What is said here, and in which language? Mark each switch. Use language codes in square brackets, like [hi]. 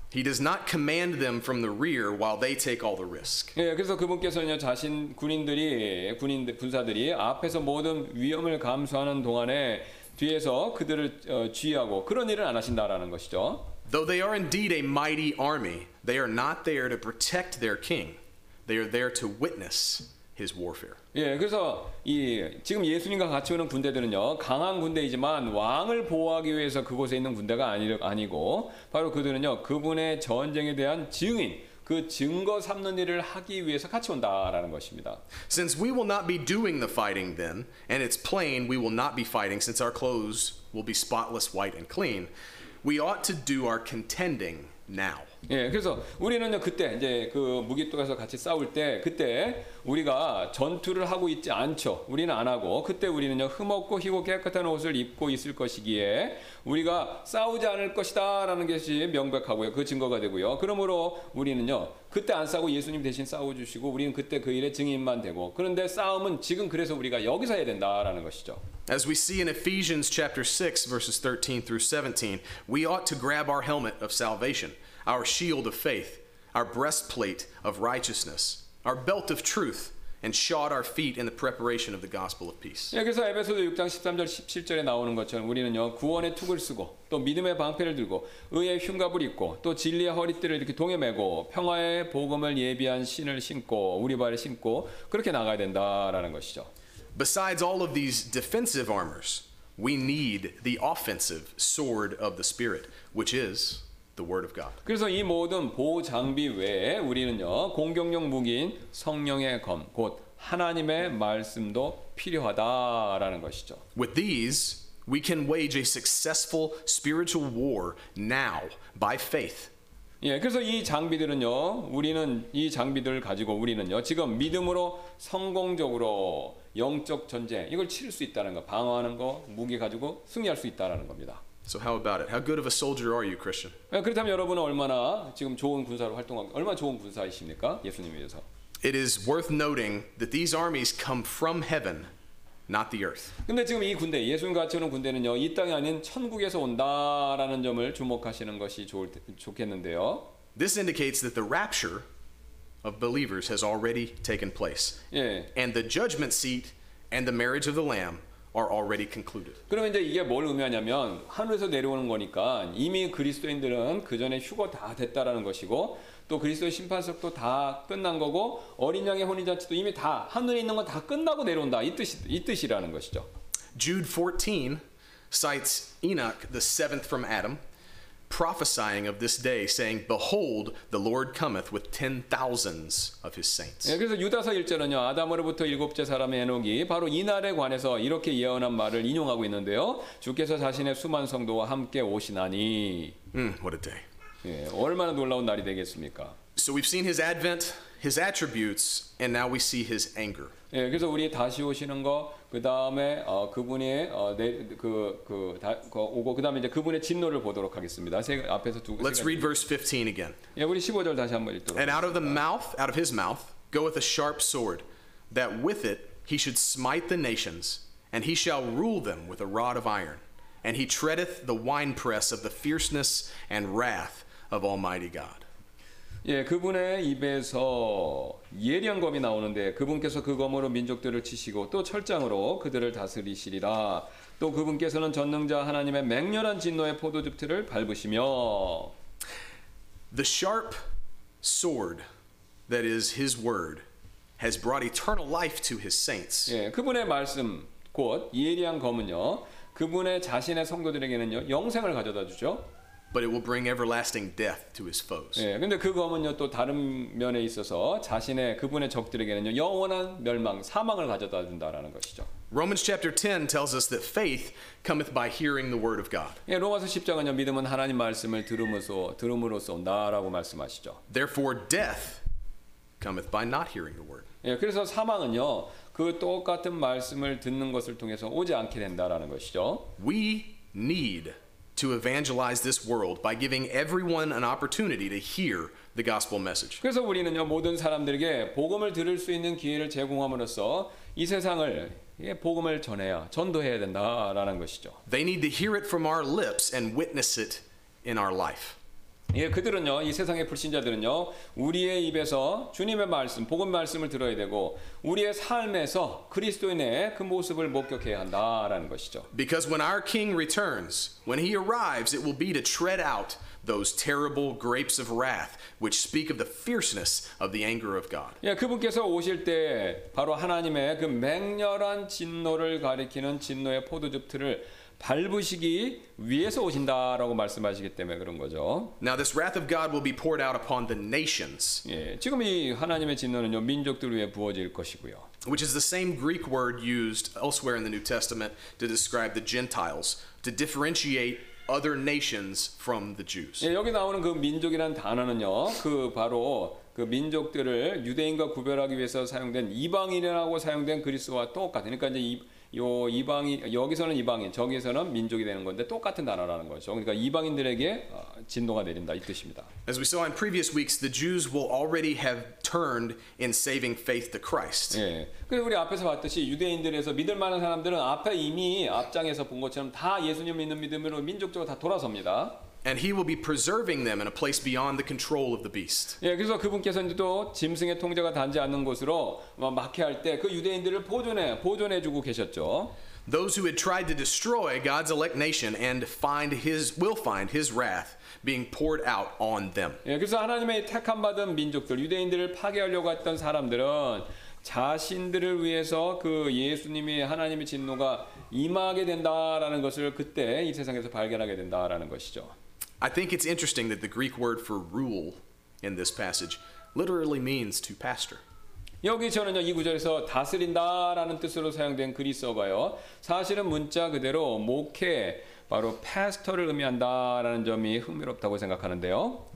[en] He does not command them from the rear while they take all the risk. [ko] 예, 그래서 그분께서는요 자신 군인들이 군사들이 앞에서 모든 위험을 감수하는 동안에 뒤에서 그들을 지휘하고 그런 일은 안 하신다라는 것이죠. [en] Though they are indeed a mighty army, they are not there to protect their king. They are there to witness his warfare. [ko] 예, 그래서 이 지금 예수님과 같이 오는 군대들은요, 강한 군대이지만 왕을 보호하기 위해서 그곳에 있는 군대가 아니고 바로 그들은요, 그분의 전쟁에 대한 증인, 그 증거 삼는 일을 하기 위해서 같이 온다라는 것입니다. [en] Since we will not be doing the fighting then, and it's plain we will not be fighting since our clothes will be spotless white and clean, we ought to do our contending now. [ko] 예, 그래서 우리는요 그때 이제 그 무기 뚝에서 같이 싸울 때 그때 우리가 전투를 하고 있지 않죠. 우리는 안 하고 그때 우리는요 흠없고 희고 깨끗한 옷을 입고 있을 것이기에 우리가 싸우지 않을 것이다라는 것이 명백하고요. 그 증거가 되고요. 그러므로 우리는요 그때 안 싸우고 예수님 대신 싸워 주시고 우리는 그때 그 일의 증인만 되고 그런데 싸움은 지금 그래서 우리가 여기서 해야 된다라는 것이죠. [en] As we see in Ephesians chapter 6 verses 13 through 17, we ought to grab our helmet of salvation, our shield of faith, our breastplate of righteousness, our belt of truth, and shod our feet in the preparation of the gospel of peace. [ko] 예, 그래서 에베소서 6장 13절 17절에 나오는 것처럼 우리는요 구원의 투구를 쓰고 또 믿음의 방패를 들고 의의 흉갑을 입고 또 진리의 허리띠를 이렇게 동에 메고 평화의 복음을 예비한 신을 신고 우리발을 신고 그렇게 나가야 된다라는 것이죠. [en] Besides all of these defensive armors, we need the offensive sword of the Spirit, which is the Word of God. [ko] 그래서 이 모든 보호 장비 외에 우리는요 공격용 무기인 성령의 검, 곧 하나님의 말씀도 필요하다라는 것이죠. [en] With these, we can wage a successful spiritual war now by faith. [ko] 예, 그래서 이 장비들은요, 우리는 이 장비들을 가지고 우리는요 지금 믿음으로 성공적으로 영적 전쟁 이걸 치를 수 있다는 거, 방어하는 거, 무기 가지고 승리할 수 있다라는 겁니다. [en] So how about it? How good of a soldier are you, Christian? [ko] 예, 그렇다면 여러분은 얼마나 지금 좋은 군사로 활동하고 얼마나 좋은 군사이십니까, 예수님 위해서? [en] It is worth noting that these armies come from heaven, not the earth. [ko] 근데 지금 이 군대, 예수님 같이 오는 군대는요, 이 땅이 아닌 천국에서 온다라는 점을 주목하시는 것이 좋겠는데요. [en] This indicates that the rapture of believers has already taken place. [ko] 예. [en] And the judgment seat and the marriage of the lamb are already concluded. [ko] 그러면 이제 이게 뭘 의미하냐면 하늘에서 내려오는 거니까 이미 그리스도인들은 그 전에 휴거 다 됐다라는 것이고 또 그리스도의 심판석도 다 끝난 거고 어린 양의 혼인잔치도 이미 다 하늘에 있는 건 다 끝나고 내려온다 이 뜻이라는 것이죠. [en] Jude 14 cites Enoch the seventh from Adam prophesying of this day saying behold the Lord cometh with 10,000s of his saints. [ko] 예, 그래서 유다서 1절은요 아담으로부터 일곱째 사람의 에녹이 바로 이 날에 관해서 이렇게 예언한 말을 인용하고 있는데요. 주께서 자신의 수만 성도와 함께 오시나니. [en] What a day. [ko] 예, 얼마나 놀라운 날이 되겠습니까? [en] So we've seen his advent, his attributes, and now we see his anger. [ko] 예, 그래서 우리 다시 오시는 거, 그다음에 그분의 오고 그다음에 이제 그분의 진노를 보도록 하겠습니다. 앞에서 두 [en] Let's read verse 15 again. [ko] 예, 우리 15절 다시 한번 읽도록. [en] And out of the mouth, out of his mouth, goeth a sharp sword, that with it he should smite the nations, and he shall rule them with a rod of iron. And he treadeth the winepress of the fierceness and wrath of Almighty God. [ko] 예, 그분의 입에서 예리한 검이 나오는데 그분께서 그 검으로 민족들을 치시고 또 철장으로 그들을 다스리시리라. 또 그분께서는 전능자 하나님의 맹렬한 진노의 포도즙틀을 밟으시며 [en] The sharp sword that is his word has brought eternal life to his saints. [ko] 예, 그분의 말씀 곧 예리한 검은요 그분의 자신의 성도들에게는요 영생을 가져다 주죠. [en] But it will bring everlasting death to his foes. [ko] 예, 근데 그 검은요 또 다른 면에 있어서 자신의 그분의 적들에게는요 영원한 멸망, 사망을 가져다 준다라는 것이죠. [en] Romans chapter 10 tells us that faith cometh by hearing the word of God. [ko] 예, 로마서 10장은요 믿음은 하나님 말씀을 들음으로써 온다라고 말씀하시죠. [en] Therefore death cometh by not hearing the word. [ko] 예, 그래서 사망은요 그 똑같은 말씀을 듣는 것을 통해서 오지 않게 된다라는 것이죠. [en] We need to evangelize this world by giving everyone an opportunity to hear the gospel message. [ko] 그래서 우리는요 모든 사람들에게 복음을 들을 수 있는 기회를 제공함으로써 이 세상을 복음을 전해야 전도해야 된다라는 것이죠. [en] They need to hear it from our lips and witness it in our life. [ko] 예, 그들은요, 이 세상의 불신자들은요, 우리의 입에서 주님의 말씀, 복음 말씀을 들어야 되고 우리의 삶에서 그리스도인의 그 모습을 목격해야 한다라는 것이죠. [en] Because when our King returns, when he arrives, it will be to tread out those terrible grapes of wrath which speak of the fierceness of the anger of God. [ko] 예, 그분께서 오실 때 바로 하나님의 그 맹렬한 진노를 가리키는 진노의 포도즙틀을 밟으시기 위해서 오신다라고 말씀하시기 때문에 그런 거죠. [en] Now this wrath of God will be poured out upon the nations. [ko] 예, 지금 이 하나님의 진노는요, 민족들 위해 부어질 것이고요. [en] Which is the same Greek word used elsewhere in the New Testament to describe the Gentiles, to differentiate other nations from the Jews. [ko] 예, 여기 나오는 그 민족이란 단어는요, 그 바로 그 민족들을 유대인과 구별하기 위해서 사용된 이방인이라고 사용된 그리스와 똑같으니까 이제 이 요 이방인 여기서는 이방인 저기서는 민족이 되는 건데 똑같은 단어라는 거죠. 그러니까 이방인들에게 진노가 내린다 이 뜻입니다. [en] As we saw in previous weeks, the Jews will already have turned in saving faith to Christ. [ko] 예. 그리고 우리 앞에서 봤듯이 유대인들에서 믿을 만한 사람들은 앞에 이미 앞장에서 본 것처럼 다 예수님 믿는 믿음으로 민족적으로 다 돌아섭니다. [en] And he will be preserving them in a place beyond the control of the beast. [ko] 예, 그래서 그분께서 이제 또 짐승의 통제가 닿지 않는 곳으로 막회할 때 그 유대인들을 보존해 주고 계셨죠. [en] Those who had tried to destroy God's elect nation and will find his wrath being poured out on them. [ko] 예, 그래서 하나님의 택함 받은 민족들, 유대인들을 파괴하려고 했던 사람들은 자신들을 위해서 그 예수님이 하나님의 진노가 임하게 된다라는 것을 그때 이 세상에서 발견하게 된다라는 것이죠. [en] I think it's interesting that the Greek word for rule in this passage literally means to pastor. [ko] 여기 저는요 이 구절에서 다스린다라는 뜻으로 사용된 그리스어가요 사실은 문자 그대로 목회 바로 파스터를 의미한다라는 점이 흥미롭다고 생각하는데요.